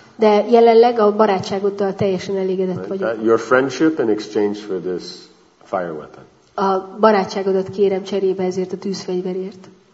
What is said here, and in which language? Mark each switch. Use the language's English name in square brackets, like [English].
[Hungarian] De jelenleg a barátságoddal teljesen elégedett vagyok. [English] Your friendship in exchange for this fire weapon. [Hungarian] a barátságodat kérem cserébe ezért a tűzfegyverért.